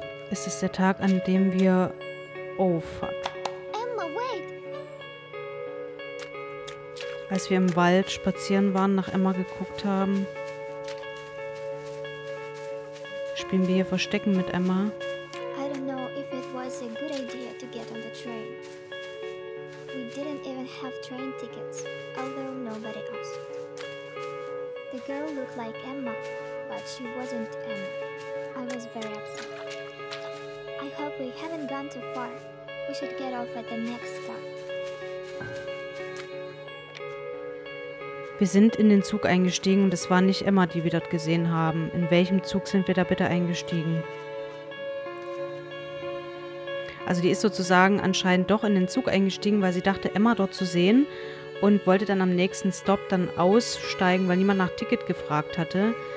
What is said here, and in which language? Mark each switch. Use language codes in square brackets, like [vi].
[de] Es ist der Tag, an dem wir... [en] Oh fuck. Emma, wait. [de] Als wir im Wald spazieren waren, nach Emma geguckt haben. Spielen wir hier Verstecken mit Emma. [en] I don't know if it was a good idea to get on the train. We didn't even have train tickets, although nobody asked. The girl looked like Emma, but she wasn't Emma. I was very upset. I hope we haven't gone too far. We should get off at the next stop. [de] Wir sind in den Zug eingestiegen und es war nicht Emma, die wir dort gesehen haben. In welchem Zug sind wir da bitte eingestiegen? Also die ist sozusagen anscheinend doch in den Zug eingestiegen, weil sie dachte, Emma dort zu sehen und wollte dann am nächsten Stop dann aussteigen, weil niemand nach Ticket gefragt hatte.